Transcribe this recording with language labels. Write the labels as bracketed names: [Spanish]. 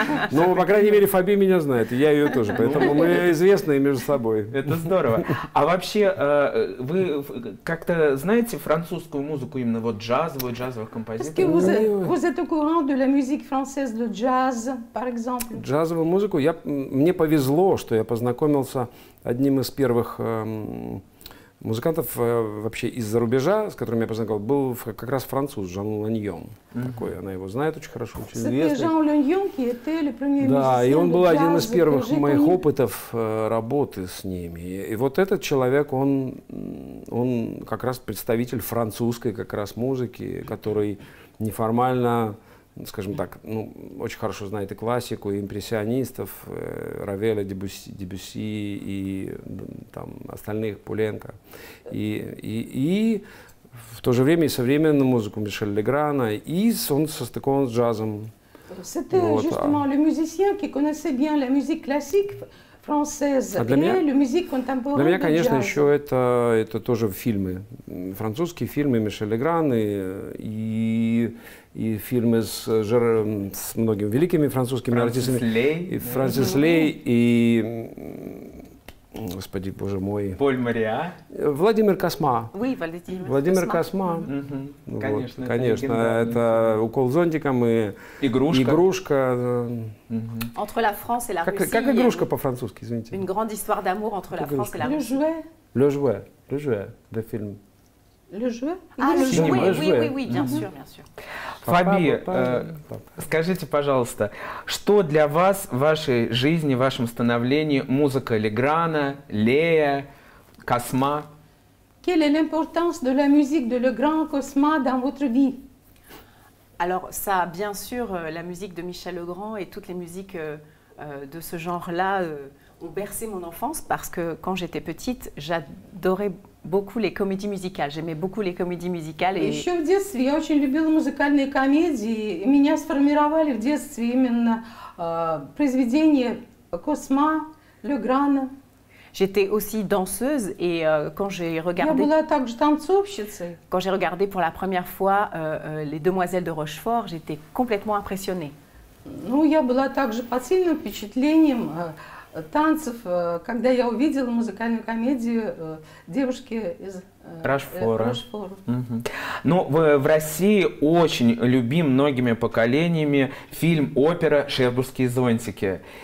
[Russian] Ну, по крайней мере, Фаби меня знает, и я ее тоже. Поэтому мы известны между собой. Это здорово. А вообще, вы как-то знаете французскую музыку, именно вот джазовую, джазовых композиторов? [French] Vous êtes au courant de la musique française de jazz, par exemple? [Russian] Джазовую музыку? Мне повезло, что я познакомился... Одним из первых музыкантов вообще из-за рубежа, с которым я познакомился, был как раз француз Жан Луньон. Такой, она его знает очень хорошо, очень известный. Жан Луньон, который был первым музыкантом. Да, и он был один из первых моих опытов работы с ними. И вот этот человек, он как раз представитель французской как раз музыки, который неформально... скажем так, ну, очень хорошо знает и классику, и импрессионистов, Равеля, Дебюсси и там остальных, Пуленко. И в то же время и современную музыку Мишеля Леграна, и он состыкован с джазом. Это [French] justement le musicien qui connaissait bien la musique classique française et le musique contemporaine. [Russian] Для меня, конечно, еще это тоже фильмы, французские фильмы Мишеля Леграна и фильмы с многими великими французскими артистами. Франсис Лей и, господи, боже мой. Поль Мориа. Владимир Косма. Владимир Косма. Угу. Вот, конечно, это «Укол зонтиком» и «Игрушка». [French] Entre la France et la Russie. [Russian] Как «Игрушка» по-французски, извините. [French] Une grande histoire d'amour entre la France et la Russie. Le Jouet. Le Jouet. Le film. Le Jouet? Oui, bien sûr. [Russian] Фаби, скажите, пожалуйста, что для вас в вашей жизни, в вашем становлении музыка Леграна, Лея, Косма? [French] Quelle est l'importance de la musique de Legrand, Cosma dans votre vie? Alors ça, bien sûr, la musique de Michel Legrand et toutes les musiques de ce genre-là ont bercé mon enfance parce que quand j'étais petite, j'adorais beaucoup les comédies musicales. J'aimais beaucoup les comédies musicales. Et [Russian] еще в детстве я очень любила музыкальные комедии. И меня сформировали в детстве именно произведения Косма, Леграна. [French] J'étais aussi danseuse et quand j'ai regardé. [Russian] Я была также танцовщицей. [French] Quand j'ai regardé pour la première fois les Demoiselles de Rochefort, j'étais complètement impressionnée. [Russian] Ну, я была также под сильным впечатлением. Танцев, когда я увидела музыкальную комедию девушки из Рашфора. Ну, в России очень любим многими поколениями фильм, опера «Шербурские зонтики».